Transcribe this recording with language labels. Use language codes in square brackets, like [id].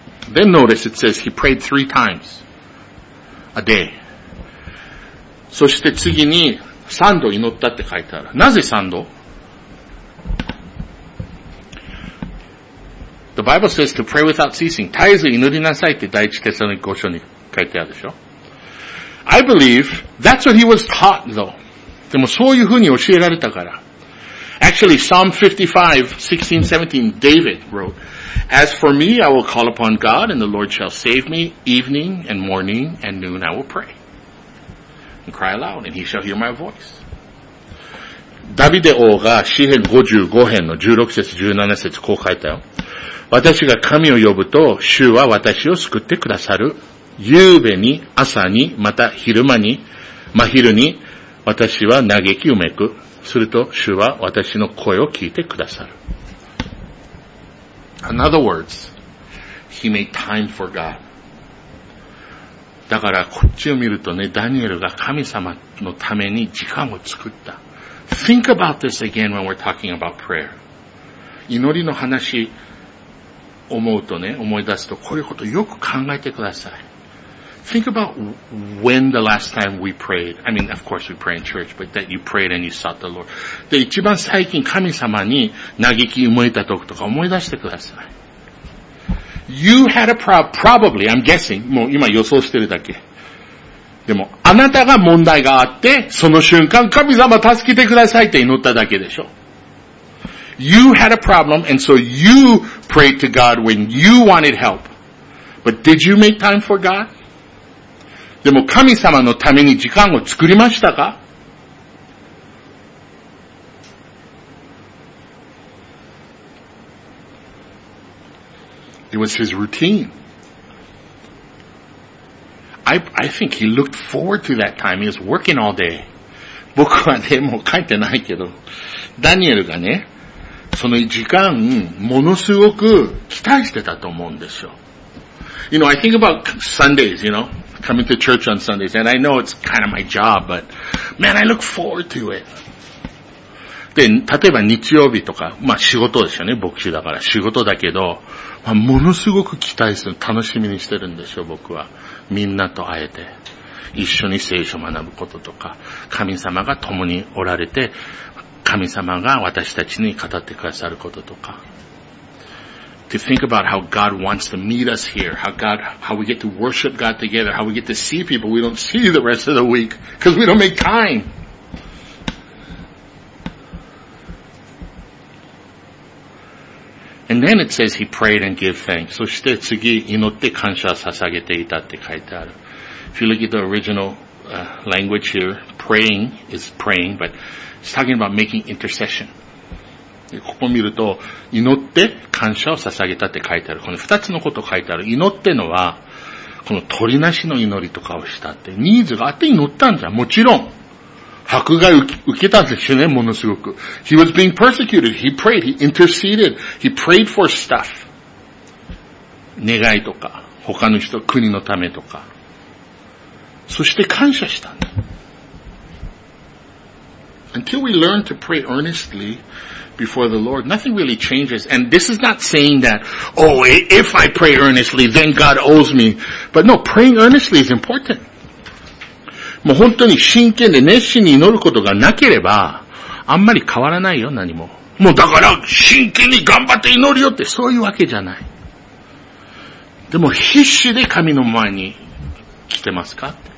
[en] Then notice it says he prayed three times a day. [ja] そして次に三度祈ったって書いてある。なぜ三度? [en] The Bible says to pray without ceasing. [ja] 絶えず祈りなさいって第一テサロニケ書に書いてあるでしょ。 [en] I believe that's what he was taught though. [ja] でもそういうふうに教えられたから。 [en] Actually, Psalm 55, 16, 17, David wrote, As for me, I will call upon God, and the Lord shall save me. Evening and morning and noon I will pray. And cry aloud, and he shall hear my voice. [ja] ダビデ王が詩編55編の16節17節こう書いたよ。私が神を呼ぶと、主は私を救ってくださる。夕べに、朝に、また昼間に、真昼に、私は嘆きうめく。すると主は私の声を聞いてくださる。 [en] In other words, he made time for God. [ja] だからこっちを見るとね、ダニエルが神様のために時間を作った。 [en] Think about this again when we're talking about prayer. [ja] 祈りの話思うとね、思い出すとこういうことよく考えてください。 [en] Think about when the last time we prayed. I mean, of course we pray in church, but that you prayed and you sought the Lord. [ja] で、一番最近神様に嘆き思えた時とか思い出してください。 [en] You had a probably, I'm guessing, [ja] もう今予想してるだけ。でも、あなたが問題があって、その瞬間神様助けてくださいって祈っただけでしょ。 [en] You had a problem and so you prayed to God when you wanted help. But did you make time for God? [ja] でも神様のために時間を作りましたか? [en] It was his routine. I think he looked forward to that time. He was working all day. [ja] 僕はね、もう書いてないけど、ダニエルがね、その時間、ものすごく期待してたと思うんですよ。 [en] You know, I think about Sundays, you know, coming to church on Sundays, and I know it's kind of my job, but man, I look forward to it. [ja] で、例えば日曜日とか、まあ仕事ですよね、牧師だから仕事だけど、まあ、ものすごく期待する、楽しみにしてるんですよ、僕は。みんなと会えて、一緒に聖書を学ぶこととか、神様が共におられて、神様が私たちに語ってくださることとか。 [en] To think about how God wants to meet us here, how we get to worship God together, how we get to see people we don't see the rest of the week, because we don't make time. And then it says he prayed and gave thanks. [ja] そして次祈って感謝を捧げていたって書いてある。 [en] If you look at the original language here, praying is praying, but it's talking about making intercession. [ja] ここ見ると祈って感謝を捧げたって書いてある。この二つのことを書いてある。祈ってのはこの取りなしの祈りとかをしたってニーズがあって祈ったんじゃん。もちろん迫害を受けたんですよね。ものすごく。 [en] He was being persecuted. He prayed. He interceded. He prayed for stuff. [ja] 願いとか他の人国のためとか。そして感謝したんだ。 [en] Until we learn to pray earnestly. Before the Lord, nothing really changes. And this is not saying that, oh, if I pray earnestly, then God owes me. But no, praying earnestly is important. [ja] もう本当に真剣で熱心に祈ることがなければ、あんまり変わらないよ、何も。もうだから、真剣に頑張って祈るよって、そういうわけじゃない。でも必死で神の前に来てますか?